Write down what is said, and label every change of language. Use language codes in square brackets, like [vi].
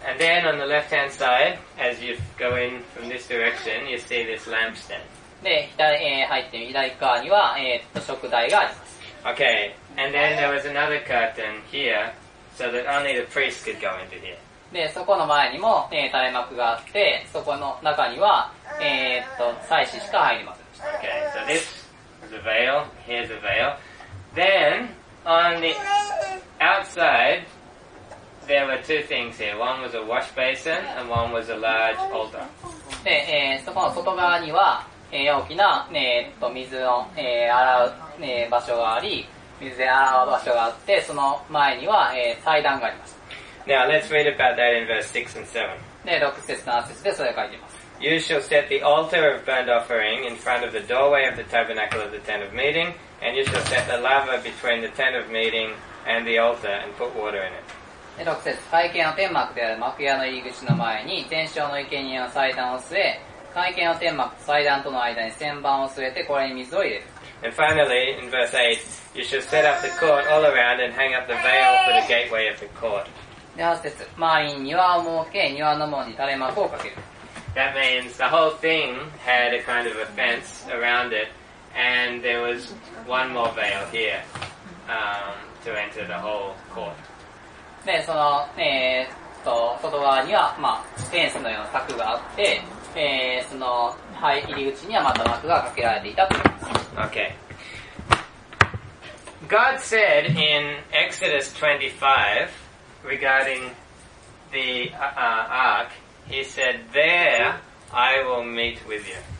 [en] And then on the left hand side, as you go in from this direction, you see this lampstand. [ja] で、入って左側には、食材があります。 [en] Okay, and then there was another curtain here, so that only the priest could go into here. [ja] で、そこの前にも、垂れ幕があって、そこの中には、祭司しか入りませんでした。 [en] Okay, so this... The veil, here's a veil. Then, on the outside, there were two things here. One was a wash basin, and one was a large altar. [ja] で、そこの外側には、大きな、水を、洗う、場所があり、水で洗う場所があって、その前には、祭壇があります。 [en] Now, let's read about that in verse 6 and 7. [ja] で、6節、7節でそれ書いています。 [en] You shall set the altar of burnt offering in front of the doorway of the tabernacle of the tent of meeting, and you shall set the laver between the tent of meeting and the altar and put water in it. [ja] 6節、会見の天幕である幕屋の入り口の前に、天使用の生贄の祭壇を据え、会見の天幕と祭壇との間に旋盤を据えて、これに水を入れる。 [en] And finally, in verse 8, you shall set up the court all around and hang up the veil for the gateway of the court. [ja] 8節、周りに庭を設け、庭の門に垂れ幕をかける。 [en] That means the whole thing had a kind of a fence around it, and there was one more veil here, to enter the whole court. [ja] で、その、外側には、まあ、フェンスのような柵があって、その、はい、入り口にはまた幕がかけられていたと。 [en] Okay. God said in Exodus 25 regarding the, ark,He said, there, I will meet with you.